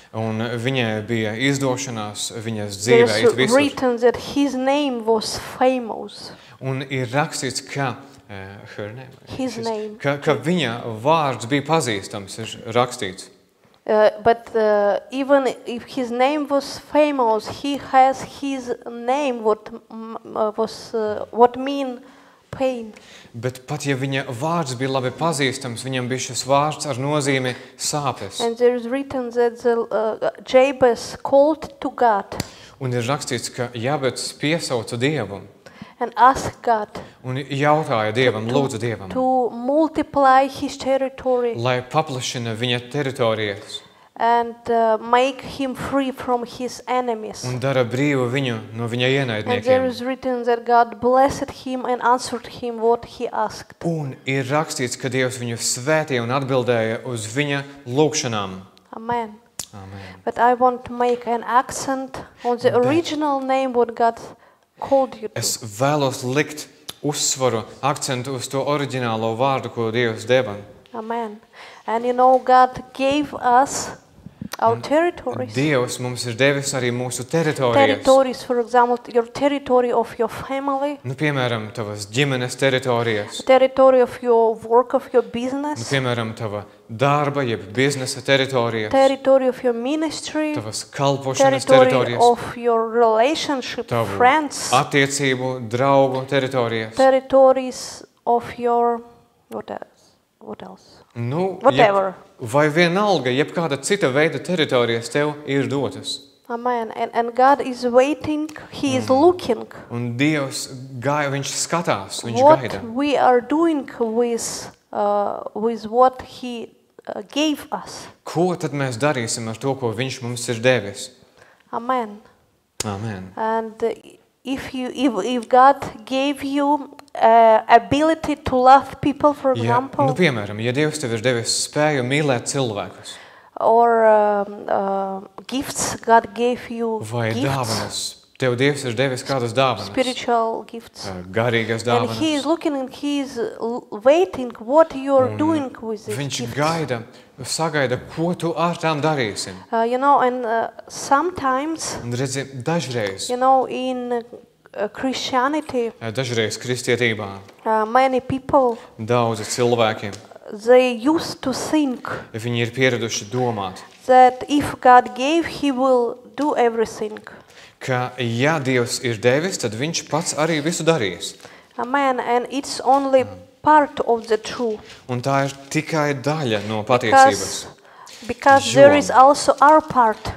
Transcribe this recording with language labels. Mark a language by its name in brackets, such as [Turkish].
[Latvian] Un viņai bija izdošanās viņas dzīvē it visur. [English] Written that his name was famous. [Latvian] Un ir rakstīts, ka [English] her name, his name. [Latvian] Ka viņa vārds bija pazīstams, ir rakstīts. [English] But even if his name was famous, he has his name what was what mean pain. [Latvian] Bet pat ja viņa vārds bija labi pazīstams, viņam bija šis vārds ar nozīmi sāpes. [English] And there is written that the Jabez called to God. [Latvian] Un ir rakstīts, ka Jabez piesauca Dievu. [English] And asked God. [Latvian] Un jautāja Dievam, lūdza Dievam. [English] To multiply his territory. [Latvian] Lai paplašina viņa teritorijas. [English] And make him free from his enemies. [Latvian] Un dara brīvu viņu no viņa ienaidniekiem. [English] And there is written that God blessed him and answered him what he asked. [Latvian] Un ir rakstīts, ka Dievs viņu svētīja un atbildēja uz viņa lūkšanām. [English] Amen. [Latvian] Amen. [English] But I want to make an accent on the original name what God called you to. [Latvian] Es vēlos likt uzsvaru, akcentu uz to oriģinālo vārdu, ko Dievs deva. [English] Amen. And you know God gave us our territories. [Latvian] Dievs mums ir devis arī mūsu teritorijas. [English] Territories, for example, your territory of your family. [Latvian] Nu, piemēram, tavas ģimenes teritorijas. [English] Territory of your work, of your business. [Latvian] Nu, piemēram, tava darba jeb biznesa teritorijas. [English] Territory of your ministry. [Latvian] Tavas kalpošanas teritorijas. [English] Territory of your relationship, [Latvian] tavu [English] friends. [Latvian] Attiecību, draugu teritorijas. [English] Territories of your what else? [Latvian] Nu, [English] whatever. [Latvian] Vai vienalga, jebkāda cita veida teritorijas tev ir dotas. [English] Amen. And God is waiting, he is looking. [Latvian] Un Dievs gaida, viņš skatās, viņš [English] what [Latvian] gaida. [English] What we are doing with what he gave us. [Latvian] Ko tad mēs darīsim ar to, ko viņš mums ir devis? [English] Amen. [Latvian] Amen. [English] And if God gave you ability to love people, for example. [Latvian] Ja, nu, piemēram, ja Dievs tev ir devis spēju mīlēt cilvēkus. [English] Or gifts, God gave you [Latvian] vai [English] gifts. [Latvian] Vai dāvanas. Tev Dievs ir devis kādas dāvanas. [English] Spiritual gifts. [Latvian] Garīgas dāvanas. [English] And he is looking and he is waiting what you are doing with these gifts. [Latvian] Viņš gaida, sagaida, ko tu ar tām darīsi. [English] You know, and sometimes, [Latvian] un redzi, dažreiz, [English] you know, in Christianity. [Latvian] Dažreiz kristietībā. [English] Many people. [Latvian] Daudzi cilvēki. [English] They used to think. [Latvian] Viņi ir pieraduši domāt. [English] That if God gave, he will do everything. [Latvian] Ka ja Dievs ir devis, tad viņš pats arī visu darīs. [English] Amen, and it's only part of the truth. [Latvian] Un tā ir tikai daļa no patiesības. [English] Because there is also our part.